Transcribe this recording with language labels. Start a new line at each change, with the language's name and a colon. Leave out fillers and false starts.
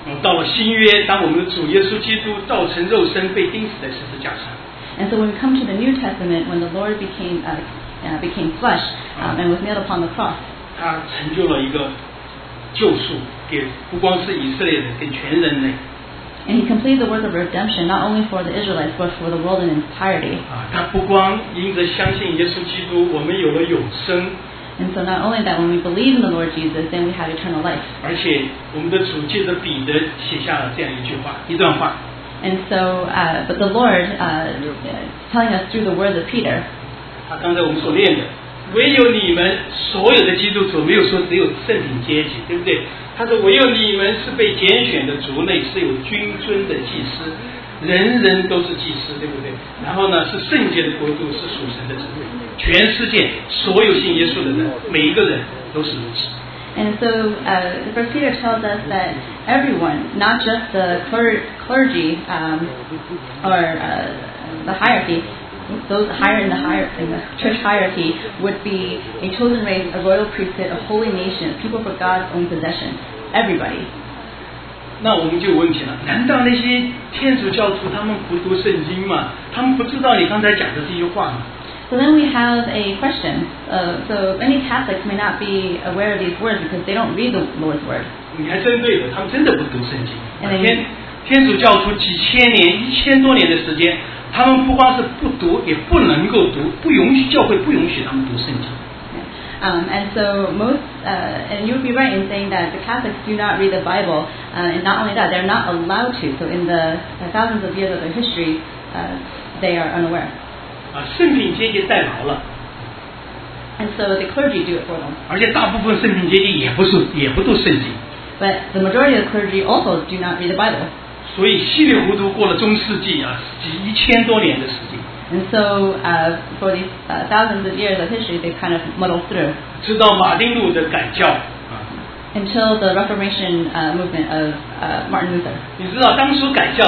Chinese: 到了新约，当我们的主耶稣基督道成肉身，被钉死在十字架上。
English: And so when we come to the New Testament, when the Lord became flesh, and was nailed upon the cross.
Chinese: 他成就了一个救赎，给不光是以色列人，给全人类。
English: And he completed the work of redemption not only for the Israelites but for the world in entirety.
Chinese: 他不光因着相信耶稣基督，我们有了永生。
English: And so not only that, when we believe in the Lord Jesus, then we have eternal life.
Chinese: 而且我们的主借着彼得写下了这样一句话，一段话。
English: And so, but the Lord telling us through the words of Peter.
Chinese: 他刚才我们所念的，唯有你们所有的基督徒，没有说只有圣品阶级，对不对？他说：“唯有你们是被拣选的族类，是有君尊的祭司，人人都是祭司，对不对？然后呢，是圣洁的国度，是属神的城，全世界所有信耶稣的人，每一个人都是如此。”
English: And so, First Peter tells us that everyone, not just the clergy, the hierarchy, those higher in the church hierarchy would be a chosen race, a royal priesthood, a holy nation, people for God's own possession. Everybody.
Chinese: 那我们就有问题了，难道那些天主教徒他们不读圣经吗？他们不知道你刚才讲的这些话吗？
English: So then we have a question. So many Catholics may not be aware of these words because they don't read the Lord's Word.
Chinese: 你还真对的，他们真的不读圣经。天主教徒几千年、一千多年的时间，他们不光是不读，也不能够读，不允许教会不允许他们读圣经。
English: And you'd be right in saying that the Catholics do not read the Bible, and not only that, they're not allowed to. So in the thousands of years of their history, they are unaware.
Chinese: 圣品阶级代劳了。
English: And so the clergy do it for them.
Chinese: 而且大部分圣品阶级也不读圣经。
English: But the majority of clergy also do not read the Bible.
Chinese: 所以稀里糊涂过了中世纪啊，几千多年的时间。
English: And so for these thousands of years of history, they kind of muddled through.
Chinese: 直到马丁路德改教,
English: Until the Reformation movement of Martin Luther.